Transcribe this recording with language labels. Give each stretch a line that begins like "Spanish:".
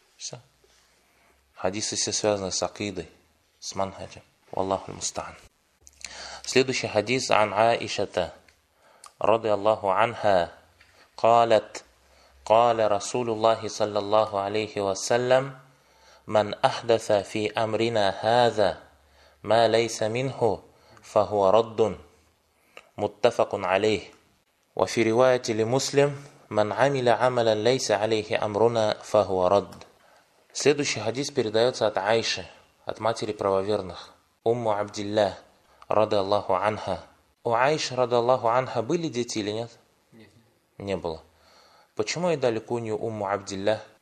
Arabic: ля вахдан мин ахсуда халь-джанна.
Russian: Хадисы все связаны с акидой, с манхаджем. Валлаху аль-мустаан. Следующий хадис ан Аишата.
Arabic: Ради Аллаху анха. Калат. Кала Расулуллахи саллаллаху алейхи ва саллям. من أحدث في أمرنا هذا ما ليس منه فهو رد متفق عليه وفي رواية لمسلم من عمل عملا ليس عليه أمرنا فهو رد.
Russian: Следующий хадис передается от Айши, от матери правоверных, Умму Абдиллах, рады Аллаху анха. У Айши, рады Аллаху анха, были дети или нет? Нет. Не было. Почему ей дали кунью Умму Абдиллах?